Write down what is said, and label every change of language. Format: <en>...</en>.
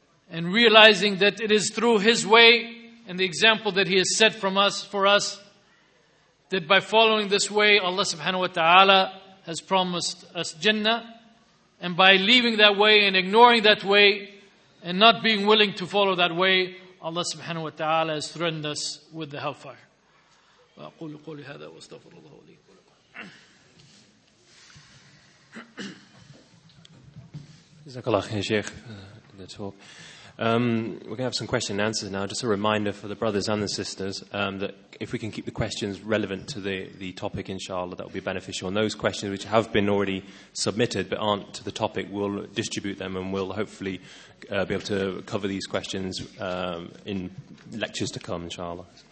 <en>and realizing that it is through his way and the example that he has set for us that by following this way Allah Subhanahu Wa Ta'ala has promised us Jannah, and by leaving that way and ignoring that way and not being willing to follow that way, Allah Subhanahu Wa Ta'ala has threatened us with the hellfire.</en> <ar>وأقول قولي هذا واستغفر الله لي ولكم. جزاك الله خير شيخ</ar> <en>for the talk. We're going to have some questions and answers now. Just a reminder for the brothers and the sisters that if we can keep the questions relevant to the topic, inshallah, that will be beneficial. And those questions which have been already submitted but aren't to the topic, we'll distribute them and we'll hopefully be able to cover these questions in lectures to come, inshallah.</en>